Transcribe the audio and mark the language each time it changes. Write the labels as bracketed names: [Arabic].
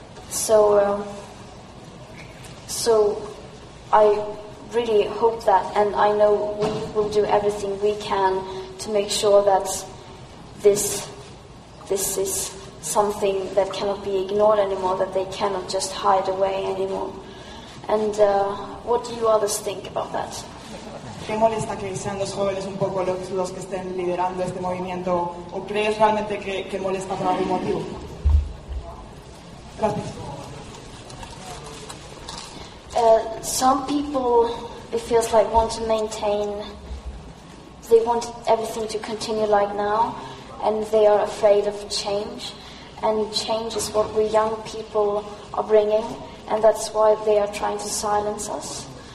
[English] So I really hope that, and I know we will do everything we can to make sure that this is something that cannot be ignored anymore, that they cannot just hide away anymore. And what do you others think about that? [Spanish] ¿Te molesta que sean los jóvenes un poco los que estén liderando este movimiento, o crees realmente que molesta por algún motivo? Gracias. [English] Some people, it feels like, want everything to continue like now, and they are afraid of change. And change is what we young people are bringing, and that's why they are trying to silence us.